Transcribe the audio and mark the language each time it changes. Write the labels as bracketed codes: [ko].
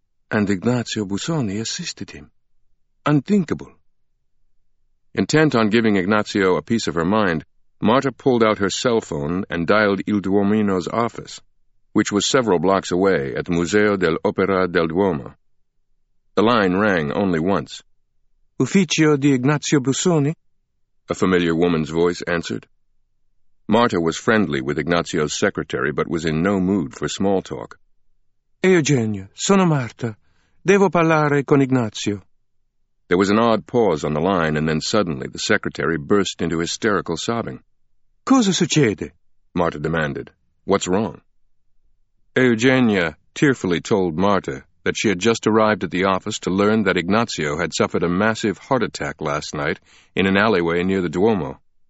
[en] And Ignazio Busoni assisted him. Unthinkable. Intent on giving Ignazio a piece of her mind, Marta pulled out her cell phone and dialed Il Duomino's office, which was several blocks away at the Museo dell'Opera del Duomo. The line rang only once. [it] Ufficio di Ignazio Busoni? [en] A familiar woman's voice answered. Marta was friendly with Ignazio's secretary, but was in no mood for small talk. [it] Eugenio, sono Marta. Devo parlare con Ignazio. [en] There was an odd pause on the line, and then suddenly the secretary burst into hysterical sobbing. [it] Cosa succede? [en] Marta demanded. What's wrong? Eugenia tearfully told Marta that she had just arrived at the office to learn that Ignazio had suffered a massive heart attack last night in an alleyway near the Duomo.